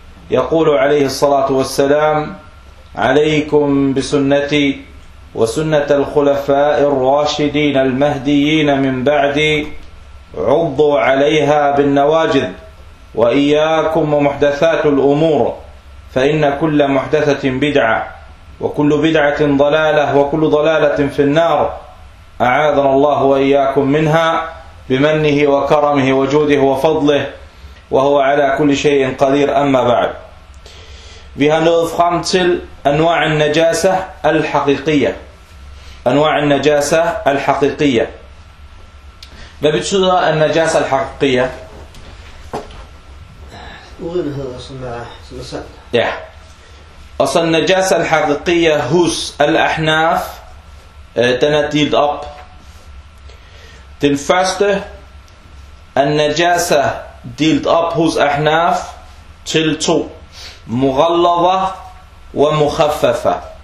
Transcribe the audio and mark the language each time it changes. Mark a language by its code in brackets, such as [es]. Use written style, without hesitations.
[ar] يقول عليه الصلاة والسلام: عليكم بسنتي وسنة الخلفاء الراشدين المهديين من بعدي عضوا عليها بالنواجذ وإياكم ومحدثات الأمور فإن كل محدثة بدعة وكل بدعة ضلالة وكل ضلالة في النار أعاذنا الله وإياكم منها بمنه وكرمه وجوده وفضله وهو على كل شيء قدير. أما بعد، [da] vi har nået frem til [ar] أنواع النجاسة الحقيقية. أنواع النجاسة الحقيقية. [da] Hvad betyder [ar] النجاسة الحقيقية؟ [da] Urenhed og sådan er sandt. Ja. Og så najasa al-haqiqiyya hos al-ahnaf, den er delt op. Den første er najasa delt op hos ahnaf til to: mughallada wa mukhaffafa.